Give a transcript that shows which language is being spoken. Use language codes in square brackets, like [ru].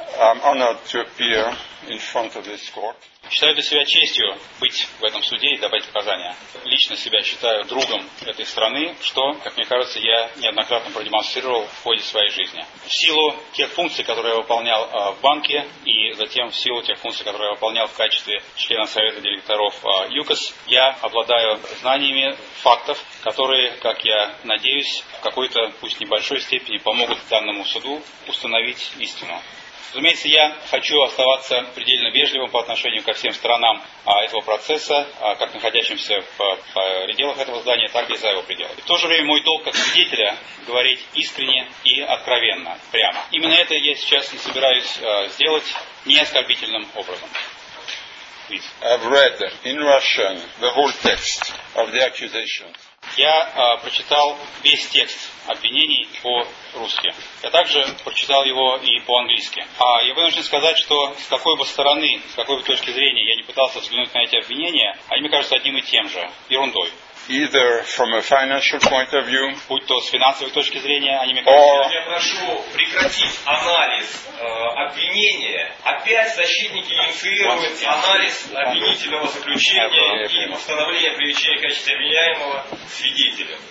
[en] I'm honored to appear in front of this court. [ru] Считаю для себя честью быть в этом суде и давать показания. Лично себя считаю другом этой страны, что, как мне кажется, я неоднократно продемонстрировал в ходе своей жизни. В силу тех функций, которые я выполнял в банке, и затем в силу тех функций, которые я выполнял в качестве члена Совета директоров ЮКОС, я обладаю знаниями фактов, которые, как я надеюсь, в какой-то, пусть небольшой степени, помогут данному суду установить истину. Разумеется, я хочу оставаться предельно вежливым по отношению ко всем сторонам этого процесса, как находящимся по пределах этого здания, так и за его пределами. В то же время мой долг как свидетеля говорить искренне и откровенно, прямо. Именно это я сейчас и собираюсь сделать неоскорбительным образом. [en] I've read in Russian the whole text of the accusation. [ru] Я прочитал весь текст обвинений по-русски. Я также прочитал его и по-английски. Я вынужден сказать, что с какой бы стороны, с какой бы точки зрения я не пытался взглянуть на эти обвинения, они мне кажутся одним и тем же, ерундой. [en] Either from a financial point of view, [ru] будь то с финансовой точки зрения, они мне кажутся... Я прошу прекратить анализ обвинения. Опять защитники инициируют анализ обвинительного заключения и постановления о привлечении в качестве обвиняемого свидетеля.